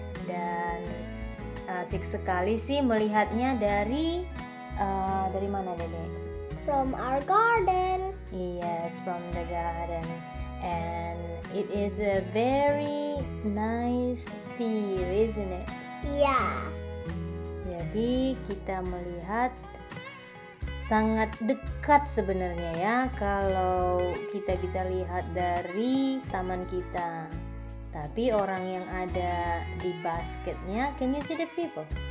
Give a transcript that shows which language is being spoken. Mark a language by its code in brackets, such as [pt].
[id] Dan asik sekali sih melihatnya dari mana, Dede? [en] From our garden. Yes, from the garden. And it is a very nice view, isn't it? Yeah. [id] Jadi kita melihat sangat dekat sebenarnya ya, kalau kita bisa lihat dari taman kita. Tapi orang yang ada di basketnya, [en] can you see the people?